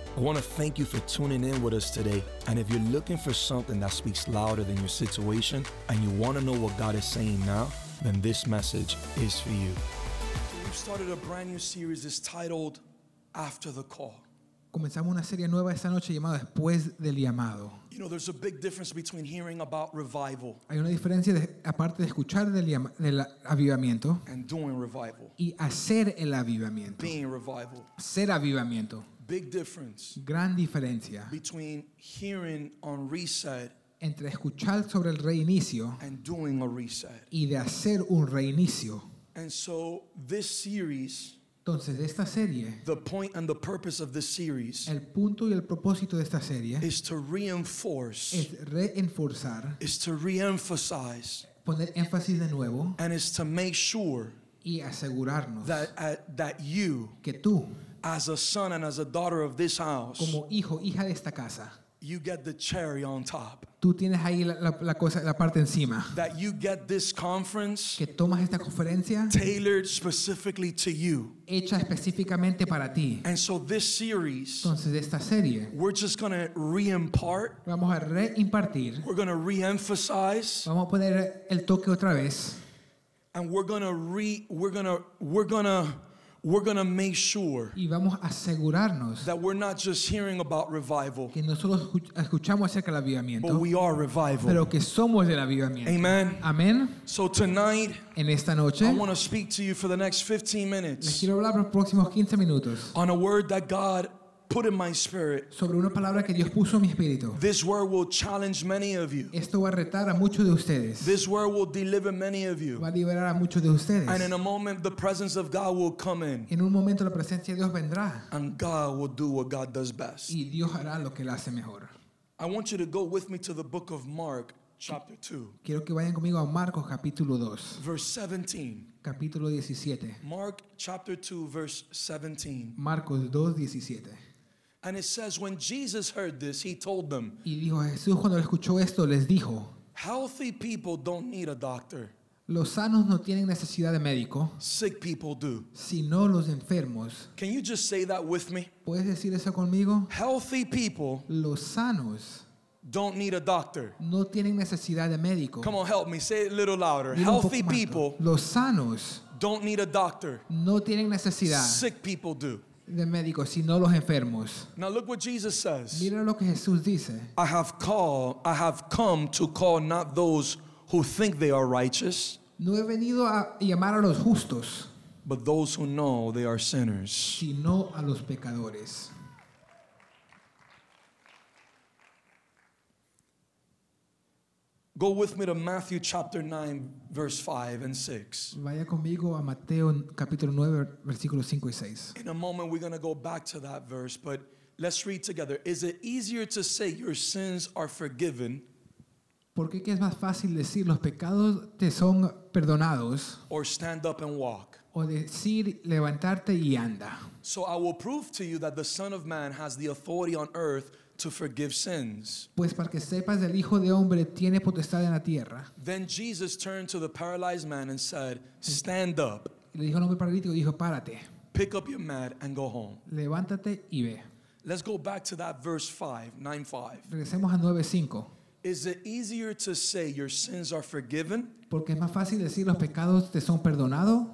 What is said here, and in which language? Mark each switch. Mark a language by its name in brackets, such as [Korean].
[English] I want to thank you for tuning in with us today. And if you're looking for something that speaks louder than your situation and you want to know what God is saying now, then this message is for you. We've started a brand new series. It's titled After the Call. [Spanish] Comenzamos una serie nueva esta noche llamada Después del Llamado. [English] You know, there's a big difference between hearing about revival. [Spanish] Hay una diferencia de, aparte de escuchar del avivamiento. [English] And doing revival. [Spanish] Y hacer el avivamiento. [English] Being revival. [Spanish] Ser avivamiento. [English] Big difference. [Spanish] Gran diferencia. [English] Between hearing on reset. [Spanish] Entre escuchar sobre el reinicio. [English] And doing a reset. [Spanish] Y de hacer un reinicio. [English] And so this series. [Spanish] Entonces, esta serie, [English] the point and the purpose of this series, [Spanish] el punto y el propósito de esta serie, [English] is to reinforce, [Spanish] es reenforzar, [English] is to reemphasize, [Spanish] poner énfasis de nuevo, [English] and is to make sure, [Spanish] y asegurarnos, [English] that you, [Spanish] que tú, [English] as a son and as a daughter of this house, [Spanish] como hijo, hija de esta casa, [English] you get the cherry on top. [Spanish] Tú tienes ahí la cosa, la parte encima. [English] That you get this conference, [Spanish] que tomas esta conferencia, [English] tailored specifically to you. [Spanish] Hecha específicamente para ti. [English] And so this series, [Spanish] entonces esta serie, [English] we're just going to reimpart. [Spanish] Vamos a reimpartir. [English] We're going to reemphasize. [Spanish] Vamos a poner el toque otra vez. [English] And we're gonna make sure, [Spanish] y vamos a asegurarnos, [English] that we're not just hearing about revival, [Spanish] que nosotros escuchamos acerca del avivamiento, [English] but we are revival. [Spanish] Pero que somos del avivamiento. [English] Amen. Amen. So tonight, [Spanish] en esta noche, [English] I want to speak to you for the next 15 minutes. [Spanish] Les quiero hablar por los próximos 15 minutos. [English] On a word that God put in my spirit. [Spanish] Sobre una palabra que Dios puso en mi espíritu. [English] This word will challenge many of you. [Spanish] Esto va a retar a muchos de ustedes. [English] This word will deliver many of you. [Spanish] Va a liberar a muchos de ustedes. [English] And in a moment, the presence of God will come in. [Spanish] En un momento, la presencia de Dios vendrá. [English] And God will do what God does best. [Spanish] Y Dios hará lo que él hace mejor. [English] I want you to go with me to the book of Mark, chapter 2. [Spanish] Quiero que vayan conmigo a Marcos, capítulo 2. [English] Verse 17. [Spanish] Capítulo 17. [English] Mark, chapter 2, verse 17. [Spanish] Marcos 2:17. [English] And it says, when Jesus heard this, he told them, [Spanish] y dijo, Jesús cuando escuchó esto, les dijo, [English] healthy people don't need a doctor. [Spanish] Los sanos no tienen necesidad de médico. [English] Sick people do. [Spanish] Sino los enfermos. [English] Can you just say that with me? [Spanish] ¿Puedes decir eso conmigo? [English] Healthy people, [Spanish] los sanos, [English] don't need a doctor. [Spanish] No tienen necesidad de médico. [English] Come on, help me. Say it a little louder. [Spanish] Dilo [English] healthy people, [Spanish] los sanos, [English] don't need a doctor. [Spanish] No tienen necesidad. [English] Sick people do. [Spanish] De médicos, sino los enfermos. [English] Now look what Jesus says. [Spanish] Mira lo que Jesús dice. [English] I have come to call not those who think they are righteous. [Spanish] No he venido a llamar a los justos. [English] But those who know they are sinners. [Spanish] Sino a los pecadores. [English] Go with me to Matthew chapter 9, verse 5 and 6. [Spanish] Vaya conmigo a Mateo capítulo 9, versículos 5 y 6. [English] In a moment, we're going to go back to that verse, but let's read together. Is it easier to say your sins are forgiven? [Spanish] ¿Por qué es más fácil decir los pecados te son perdonados? [English] Or stand up and walk. [Spanish] O decir levantarte y anda. [English] So I will prove to you that the Son of Man has the authority on earth to forgive sins. [Spanish] Pues para que sepas, el Hijo de Hombre tiene potestad en la tierra. [English] Then Jesus turned to the paralyzed man and said, stand up. [Spanish] Le dijo al hombre paralítico, dijo, párate. [English] Pick up your mat and go home. [Spanish] Levántate y ve. [English] Let's go back to that verse 9:5. [Spanish] Regresemos a 9:5. [English] Is it easier to say your sins are forgiven? [Spanish] Porque es más fácil decir los pecados te son perdonados.